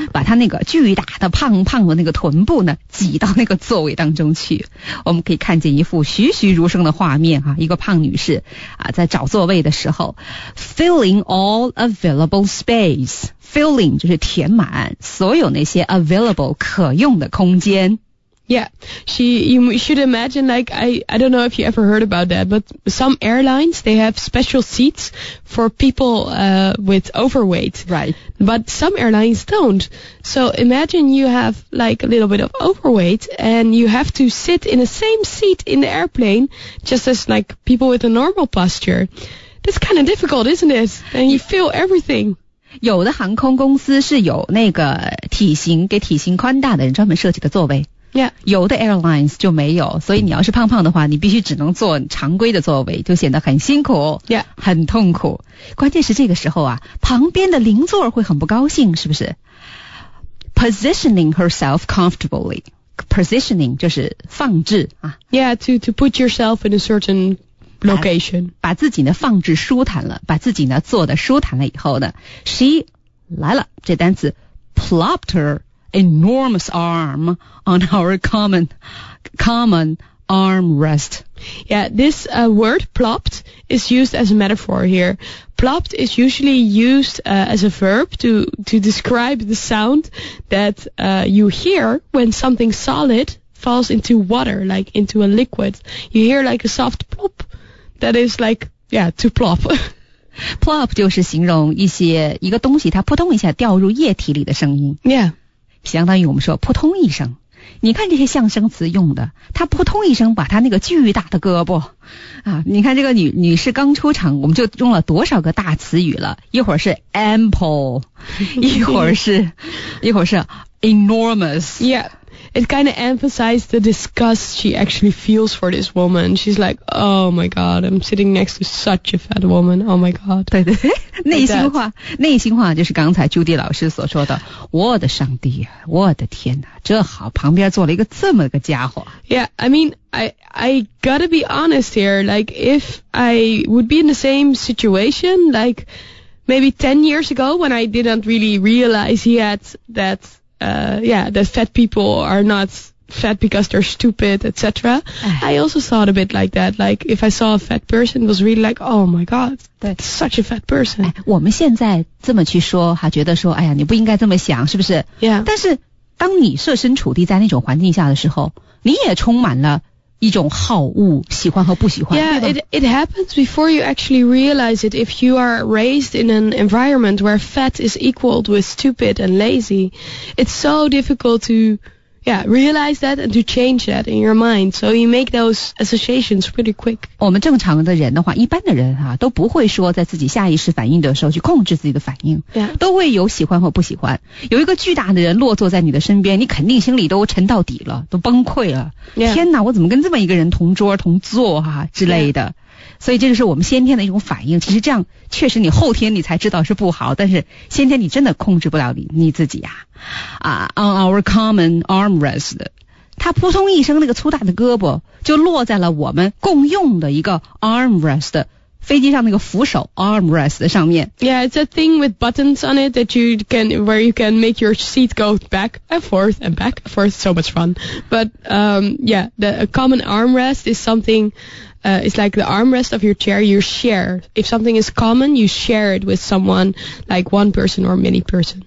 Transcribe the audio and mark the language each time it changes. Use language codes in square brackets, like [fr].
[zh] 把他那个巨大的胖胖的那个臀部呢挤到那个座位当中去。我们可以看见一幅栩栩如生的画面啊，一个胖女士啊在找座位的时候 [en] filling all available space, [zh] filling 就是填满所有那些 available 可用的空间。 [en] Yeah, you should imagine, like, I don't know if you ever heard about that, but some airlines, they have special seats for people, with overweight. Right. But some airlines don't. So imagine you have, like, a little bit of overweight and you have to sit in the same seat in the airplane, just as, like, people with a normal posture. That's kind of difficult, isn't it? And you feel everything. [zh] 有的航空公司是有那个体型给体型宽大的人专门设计的座位。 [en] Yeah. [zh] 有的 airlines 就没有，所以你要是胖胖的话，你必须只能坐常规的座位，就显得很辛苦、 [en] yeah. [zh] 很痛苦。关键是这个时候啊，旁边的邻座会很不高兴，是不是？ [en] Positioning herself comfortably. [zh] Positioning 就是放置啊。 [en] Yeah, to put yourself in a certain location. [zh] 把自己呢放置舒坦了，把自己呢坐得舒坦了以后呢， she 来了，这单词 [en] plopped her enormous arm on our common armrest. Yeah, this word plopped is used as a metaphor here. Plopped is usually used as a verb to describe the sound that you hear when something solid falls into water, like into a liquid. You hear like a soft plop. That is like, yeah, to plop. [zh] Plop 就是形容一些一个东西它扑通一下掉入液体里的声音。 [en] Yeah. [zh] 相当于我们说扑通一声。你看这些象声词用的，他扑通一声把他那个巨大的胳膊啊，你看这个女士刚出场，我们就用了多少个大词语了，一会儿是 ample， 一会儿是 enormous。 [en] Yeah, it kind of emphasized the disgust she actually feels for this woman. She's like, oh my god, I'm sitting next to such a fat woman, oh my god. [zh] 对对对，内心话就是刚才朱迪老师所说的，我的上帝，我的天哪，这好，旁边坐了一个这么个家伙。 [en] Yeah, I mean, I gotta be honest here, like if I would be in the same situation, like maybe 10 years ago when I didn't really realize yet that, that fat people are not fat because they're stupid, etc. I also thought a bit like that. Like, if I saw a fat person, was really like, oh my god, that's such a fat person. [zh] 哎，我们现在这么去说，哈，觉得说，哎呀，你不应该这么想，是不是？ [en] Yeah. [zh] 但是，当你设身处地在那种环境下的时候，你也充满了一种好恶，喜欢和不喜欢。 [en] Yeah, [zh] 对吧？ [en] it happens before you actually realize it. If you are raised in an environment where fat is equaled with stupid and lazy, it's so difficult to... Yeah, realize that and to change that in your mind. So you make those associations pretty quick. [zh] 我们正常的人的话，一般的人啊，都不会说在自己下意识反应的时候去控制自己的反应。 [en] Yeah. [zh] 都会有喜欢或不喜欢。有一个巨大的人落座在你的身边，你肯定心里都沉到底了，都崩溃了。 [en] Yeah. [zh] 天哪，我怎么跟这么一个人同桌同坐啊之类的。 [en] Yeah. [zh] 所以这个是我们先天的一种反应，其实这样确实你后天你才知道是不好，但是先天你真的控制不了你自己啊。 [en] On our common armrest, [zh] 它扑通一声那个粗大的胳膊就落在了我们共用的一个 armrest, 飞机上那个扶手 armrest 上面。 [en] Yeah, it's a thing with buttons on it that you can, where you can make your seat go back and forth and back and forth, so much fun. But, yeah, the common armrest is something,it's like the armrest of your chair you share. If something is common, you share it with someone, like one person or many person.